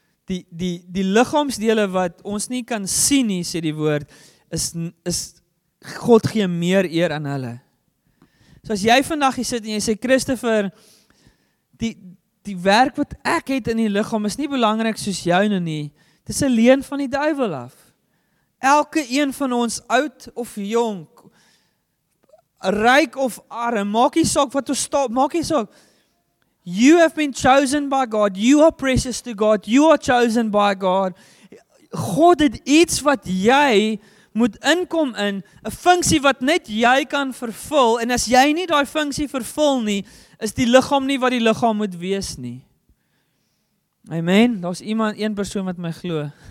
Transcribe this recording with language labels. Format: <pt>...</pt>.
<af>die liggaamsdele wat ons nie kan sien nie, sê die woord, is God gee meer eer aan hulle. So as jy vandag hier sit en jy sê, Christopher, die werk wat ek het in die liggaam is nie belangrik soos jou nou nie, dit is 'n leen van die duivel af. Elke een van ons, oud of jong, ryk of arm, maak nie saak wat ons stap, maak nie saak.</af> <en>You have been chosen by God. You are precious to God. You are chosen by God.</en> <af>God het iets wat jy moet inkom in, 'n funksie wat net jy kan vervul, en as jy nie daai funksie vervul nie, is die liggaam nie wat die liggaam moet wees nie. Amen. Daar's iemand, een persoon wat my glo.</af>